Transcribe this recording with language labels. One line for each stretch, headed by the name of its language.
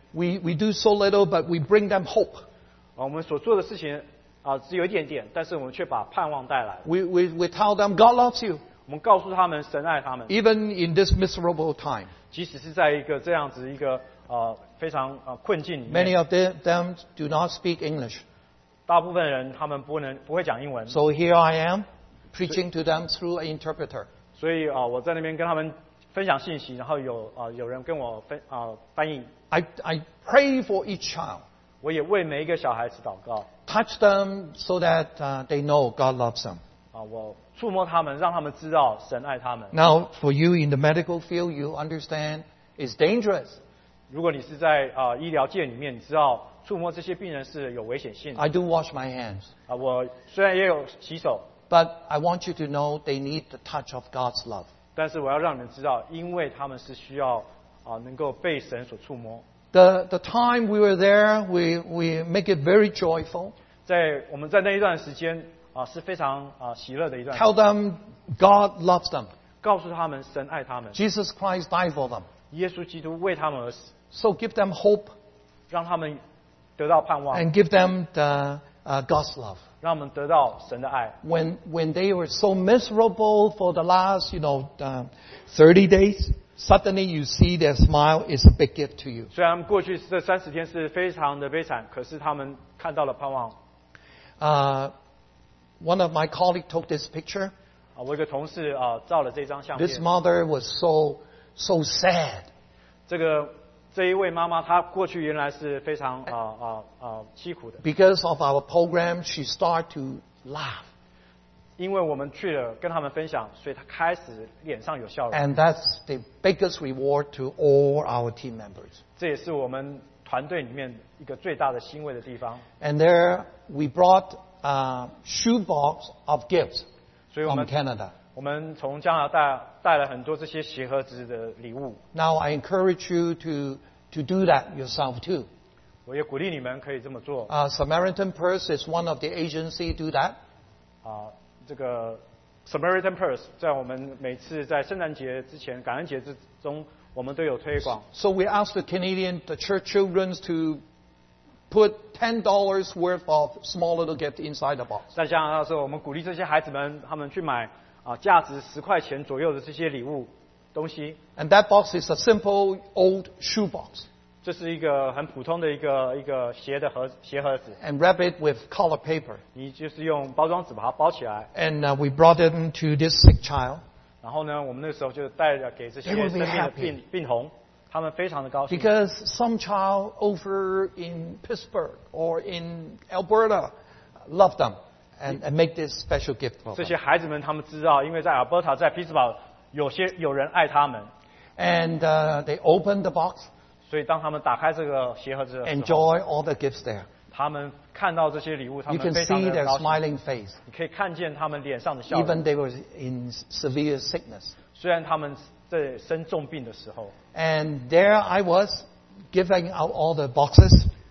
English: We do so little, but we bring them hope.
Chinese: 我们所做的事情只有一点点，但是我们却把盼望带来。
English: We tell them God loves you.
Chinese: 我们告诉他们神爱他们。
English: Even in this miserable time.
Chinese: 即使是在一个这样子一个非常困境里面。
English: Many of them do not speak English.
Chinese: 大部分人他们不会讲英文。
English: So here I am, preaching to them through an interpreter.
Chinese: 所以我在那边跟他们分享信息，然后有人跟我翻译。
English: I pray for each child.
Chinese: 我也为每一个小孩子祷告。
English: Touch them so that they know God loves them.
Chinese: 我触摸他们，让他们知道神爱他们。
English: Now for you in the medical field, you understand it's dangerous.
Chinese: 如果你是在医疗界里面，你知道触摸这些病人是有危险性的。
English: I do wash my hands.
Chinese: 我虽然也有洗手。
English: But I want you to know they need the touch of God's love.
Chinese: 但是我要让你们知道，因为他们是需要能够被神所触摸。
English: The time we were there, we make it very joyful.
Chinese: 在我们在那一段时间是非常喜乐的一段。
English: Tell them God loves them.
Chinese: 告诉他们神爱他们。
English: Jesus Christ died for them.
Chinese: 耶稣基督为他们而死。
English: So give them hope.
Chinese: 让他们得到盼望。
English: And give them the God's love.
Chinese: 让我们得到神的爱。
English: When they were so miserable for the last, you know, 30 days, suddenly you see their smile is a big gift to you.
Chinese: 虽然过去这三十天是非常的悲惨，可是他们看到了盼望。
English: One of my colleagues took this picture.
Chinese: 我一个同事照了这张相片。
English: This mother was so sad.
Chinese: 这一位妈妈，她过去原来是非常凄苦的。
English: Because of our program, she started to laugh.
Chinese: 因为我们去了，跟他们分享，所以她开始脸上有笑容。
English: And that's the biggest reward to all our team members.
Chinese: 这也是我们团队里面一个最大的欣慰的地方。
English: And there we brought a shoebox of gifts from Canada.
Chinese: 我们从加拿大带了很多这些鞋盒子的礼物。
English: Now I encourage you to do that yourself too.
Chinese: 我也鼓励你们可以这么做。
English: Samaritan Purse is one of the agencies do that.
Chinese: 这个 Samaritan Purse 在我们每次在圣诞节之前、感恩节之中，我们都有推广。
English: So we ask the Canadian the church children to put $10 worth of small little gift inside the box.
Chinese: 在加拿大的时候，我们鼓励这些孩子们，他们去买。价值10块钱左右的这些礼物东西。
English: And that box is a simple old shoe box.
Chinese: 这是一个很普通的一个鞋盒子。
English: And wrap it with colored paper.
Chinese: 你就是用包装纸把它包起来。
English: And we brought them to this sick child.
Chinese: 然后呢，我们那时候就带着给这些生病的病童，他们非常的高兴。
English: Because some child over in Pittsburgh or in Alberta loved them. And make this special gift for them.
Chinese: 这些孩子们他们知道，因为在 Alberta 在匹兹堡有人爱他们。
English: And they open the box.
Chinese: 所以当他们打开这个鞋盒子的时候，
English: enjoy all the gifts there.
Chinese: 他们看到这些礼物，他们非常的高兴。
English: You can see their smiling face.
Chinese: 你可以看见他们脸上的笑容。
English: Even they were in severe sickness.
Chinese: 虽然他们在生重病的时候。
English: And there I was giving out all the boxes.